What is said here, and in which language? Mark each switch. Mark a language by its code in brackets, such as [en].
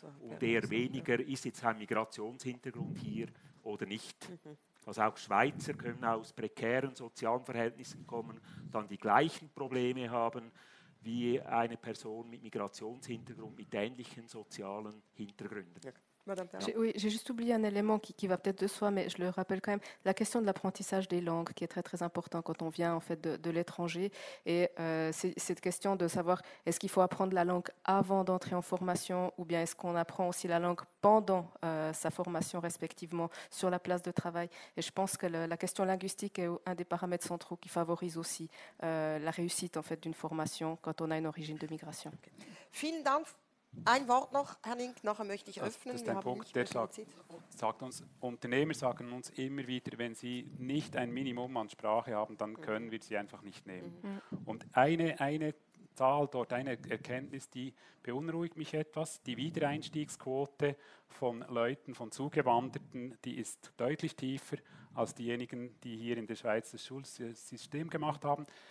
[de] Und eher weniger, ist jetzt ein Migrationshintergrund hier oder nicht. Also auch Schweizer können aus prekären sozialen Verhältnissen kommen, dann die gleichen Probleme haben wie eine Person mit Migrationshintergrund, mit ähnlichen sozialen Hintergründen. Ja. [fr] J'ai juste oublié un élément qui va peut-être de soi, mais je le rappelle quand même, la question de l'apprentissage des langues, qui est très très important quand on vient en fait de l'étranger, et cette question de savoir est-ce qu'il faut apprendre la langue avant d'entrer en formation, ou bien est-ce qu'on apprend aussi la langue pendant sa formation respectivement sur la place de travail, et je pense que la question linguistique est un des paramètres centraux qui favorise aussi la réussite en fait d'une formation quand on a une origine de migration. [de] Vielen Dank. Ein Wort noch, Herr Link, nachher möchte ich öffnen. Das ist ein Punkt, der sagt uns, Unternehmer sagen uns immer wieder, wenn sie nicht ein Minimum an Sprache haben, dann können wir sie einfach nicht nehmen. Und eine Zahl dort, eine Erkenntnis, die beunruhigt mich etwas, die Wiedereinstiegsquote von Leuten, von Zugewanderten, die ist deutlich tiefer als diejenigen, die hier in der Schweiz das Schulsystem gemacht haben.